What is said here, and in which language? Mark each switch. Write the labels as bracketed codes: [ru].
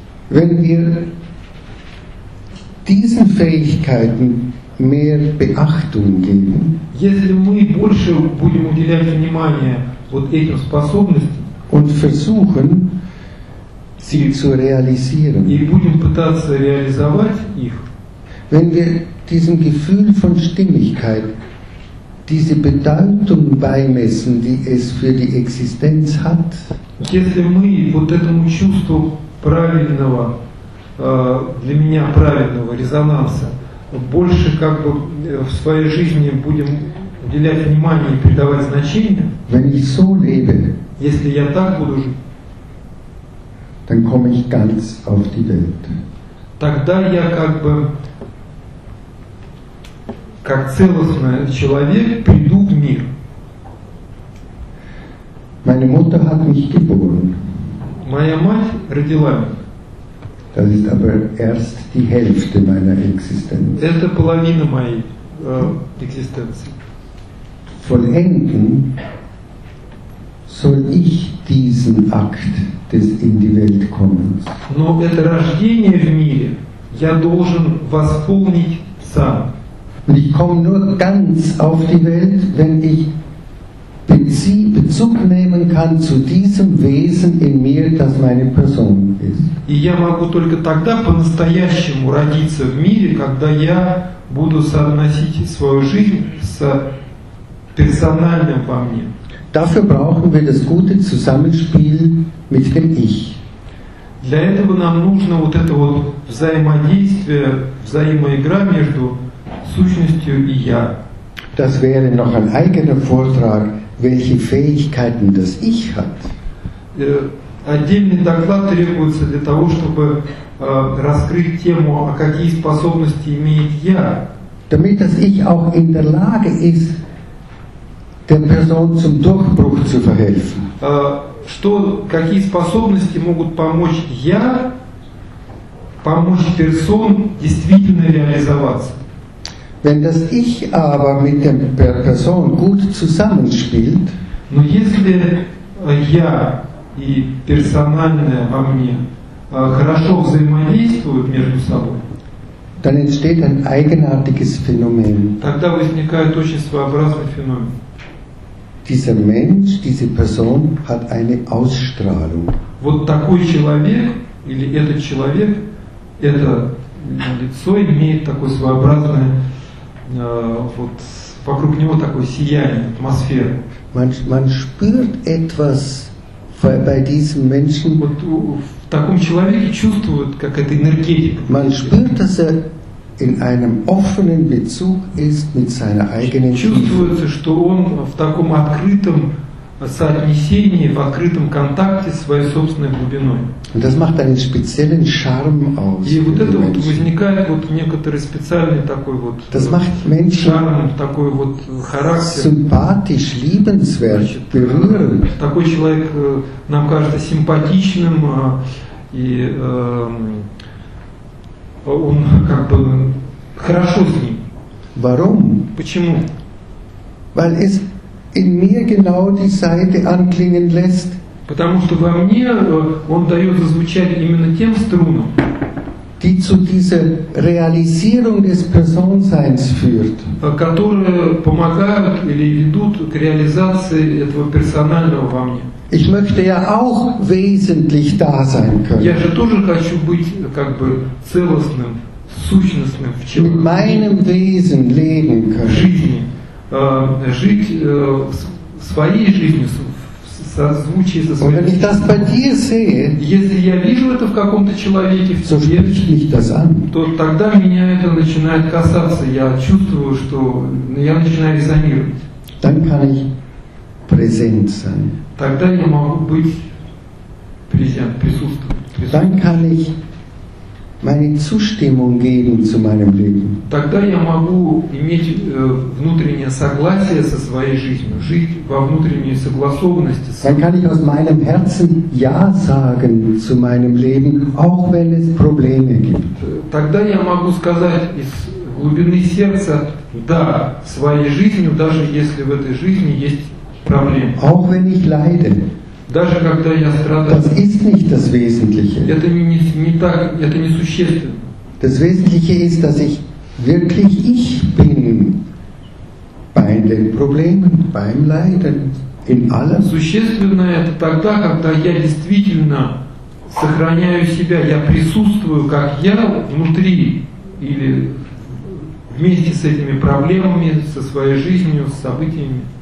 [de] Wenn wir diesen Fähigkeiten mehr Beachtung geben, [ru] если мы больше будем уделять внимание вот этим способностям [de] und versuchen, sie zu realisieren, [ru] и будем пытаться реализовать их, [de] wenn wir diesem Gefühl von Stimmigkeit diese Bedeutung beimessen, die es für die Existenz hat, [ru] если мы вот этому чувству правильного для меня правильного резонанса больше как бы в своей жизни будем уделять внимание и придавать значение, [de] wenn ich so lebe, [ru] если я так буду жить, [de] dann komme ich ganz auf die Welt. [ru] Тогда я как бы как целостный человек приду в мир. [de] Meine Mutter hat mich geboren. [ru] Моя мать родила меня. [de] Das ist aber erst die Hälfte meiner Existenz. [ru] Это половина моей экзистенции. [de] Vollenden soll ich diesen Akt des in die Welt kommens. [ru] Но это рождение в мире я должен восполнить сам. [de] Und ich komme nur ganz auf die Welt, wenn ich Bezug nehmen kann zu diesem Wesen in mir, das meine Person ist. [ru] И я могу только тогда по-настоящему родиться в мире, когда я буду соотносить свою жизнь с персональным во мне. [de] Dafür brauchen wir das gute Zusammenspiel mit dem Ich. [ru] Для этого нам нужно вот это вот взаимодействие, взаимоигра между сущностью и я. [de] Das wäre noch ein eigener Vortrag, welche Fähigkeiten das Ich hat. [ru] Отдельный доклад требуется для того, чтобы раскрыть тему, а какие способности имеет я. [de] Damit das Ich auch in der Lage ist, der Person zum Durchbruch zu verhelfen. [ru] Что, какие способности могут помочь я, помочь персон действительно реализоваться? [de] Wenn das Ich aber mit der Person gut zusammenspielt, [ru] но если я и персональное во мне хорошо взаимодействуют между собой, [de] dann entsteht ein eigenartiges Phänomen. [ru] Тогда возникает очень своеобразный феномен. [de] Dieser Mensch, diese Person hat eine Ausstrahlung. [ru] Вот такой человек или этот человек, это лицо имеет такое своеобразное вот вокруг него такое сияние, атмосфера. [de] Man spürt etwas bei diesem Menschen. [ru] Вот в таком человеке чувствует какая-то энергетика. [de] Man spürt, dass er in einem offenen Bezug ist mit seiner eigenen. [ru] Чувствуется, что он в таком открытом соотнесении, в открытом контакте с своей собственной глубиной. [de] Und das macht einen speziellen Charme aus. [ru] И вот это вот возникает вот некоторый специальный такой вот. [de] Das macht Menschen [ru] Charme, такой вот характер. [de] Sympathisch, liebenswert, [ru] значит, [de] berührend. [ru] Такой человек нам кажется симпатичным и он как бы хорошо с ним. [de] Warum? [ru] Почему? [de] Weil es in mir genau die Seite anklingen lässt. [ru] Потому что во мне он дает зазвучать именно тем струнам, [de] die zu dieser Realisierung des Personseins führt, [ru] которые помогают или ведут к реализации этого персонального во мне. [de] Ich möchte ja auch wesentlich da sein können. [ru] Я же тоже хочу быть как бы целостным, сущностным в человеке. [de] Mit meinem Wesen leben können. [ru] В жизни. Жить своей жизнью, [de] Wenn ich das bei dir sehe, [ru] если я вижу это в каком-то человеке, [de] so spricht mich das an. [ru] То тогда меня это начинает касаться, я чувствую, что я начинаю резонировать. [de] Dann kann ich präsent sein. [ru] Тогда я могу быть präsent, присутствовать. [de] Dann kann ich meine Zustimmung geben zu meinem Leben. [ru] Тогда я могу иметь внутреннее согласие со своей жизнью, жить во внутренней согласованности. [de] Dann kann ich aus meinem Herzen Ja sagen zu meinem Leben, auch wenn es Probleme gibt. [ru] Тогда я могу сказать из глубины сердца Да своей жизнью, даже если в этой жизни есть проблемы. [de] Auch wenn ich leide. [ru] Даже когда я страдаю, [de] das ist nicht das Wesentliche. [ru] Это не так, это не существенно. [de] Das Wesentliche ist, dass ich wirklich ich bin bei den Problemen, beim Leiden, in allem. [ru] Существенно это тогда, когда я действительно сохраняю себя, я присутствую как я внутри или вместе с этими проблемами, со своей жизнью, с событиями.